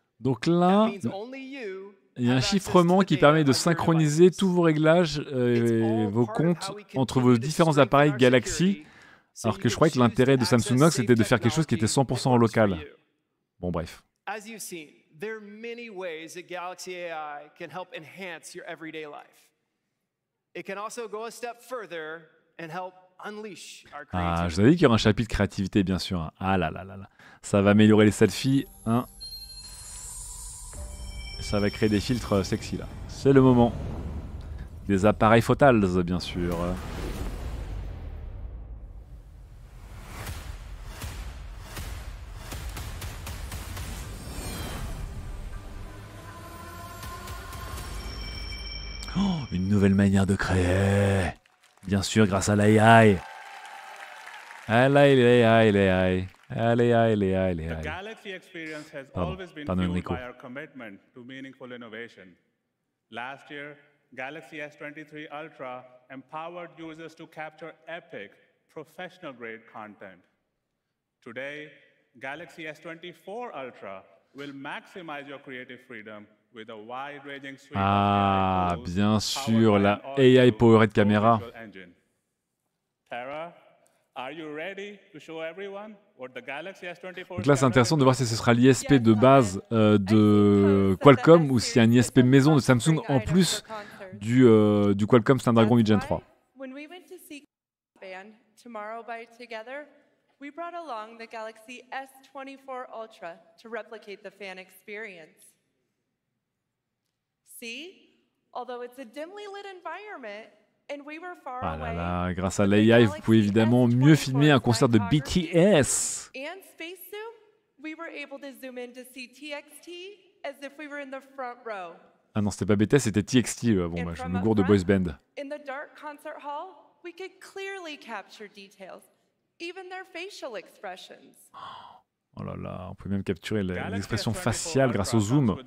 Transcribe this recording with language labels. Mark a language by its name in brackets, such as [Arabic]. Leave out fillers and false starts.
[French] Donc là, il y a un chiffrement qui permet de synchroniser tous vos réglages et vos comptes entre vos différents appareils Galaxy, alors que je croyais que l'intérêt de Samsung Knox était de faire quelque chose qui était 100% local. Bon, bref. [English] There are many ways that Galaxy AI can help enhance your everyday life. It can also go a step further and help unleash our creativity. [French] Ah, je vous avais dit qu'il y aura un chapitre créativité, bien sûr. Ah là là là là. Ça va améliorer les selfies, hein. Ça va créer des filtres sexy, là. C'est le moment. Des appareils photals, bien sûr. Une nouvelle manière de créer, bien sûr, grâce à l'AI. L'AI. [English] The Galaxy experience has always been fueled by our commitment to meaningful innovation. Last year, Galaxy S23 Ultra empowered users to capture epic, professional-grade content. Today, Galaxy S24 Ultra will maximize your creative freedom. [French] Ah, bien sûr, la AI powered caméra. Donc là, c'est intéressant de voir si ce sera l'ISP de base de Qualcomm ou s'il y a un ISP maison de Samsung en plus du Qualcomm Snapdragon 8 Gen 3. [English] When we went to see Band Tomorrow by Together, we brought along the Galaxy S24 Ultra to replicate the fan experience. Although it's a dimly lit environment and we were far away. [French] Ah là là, grâce à l'AI, vous pouvez évidemment mieux filmer un concert de BTS. [English] And Space Zoom, we were able to zoom in to see TXT as if we were in the front row. [French] Ah non, c'était pas BTS, c'était TXT. Bon, je me gourde de boys band. [English] In the dark concert hall, we could clearly capture details, even their facial expressions. [French] Oh là là, on peut même capturer l'expression faciale grâce au zoom.